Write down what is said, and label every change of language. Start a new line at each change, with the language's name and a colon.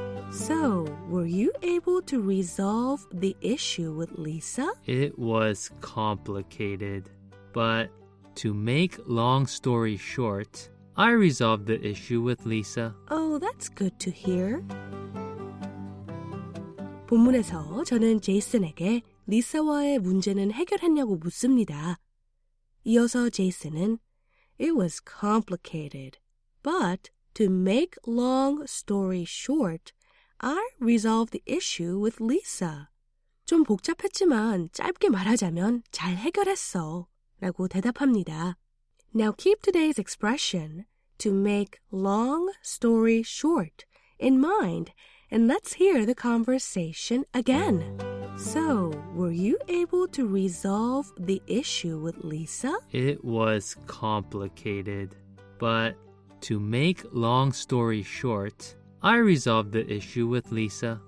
English: So, were you able to resolve the issue with Lisa? It was complicated, but to make long story short, I resolved the issue with Lisa. Oh, that's good to hear.
Korean: 본문에서 저는 제이슨에게 리사와의 문제는 해결했냐고 묻습니다. 이어서 제이슨은
English: It was complicated, but to make long story short, I resolved the issue with Lisa.
Korean: 좀 복잡했지만 짧게 말하자면 잘 해결했어 라고 대답합니다.
English: Now keep today's expression, to make long story short, in mind, and let's hear the conversation again. So, were you able to resolve the issue with Lisa? It was complicated, but to make long story short, I resolved the issue with Lisa.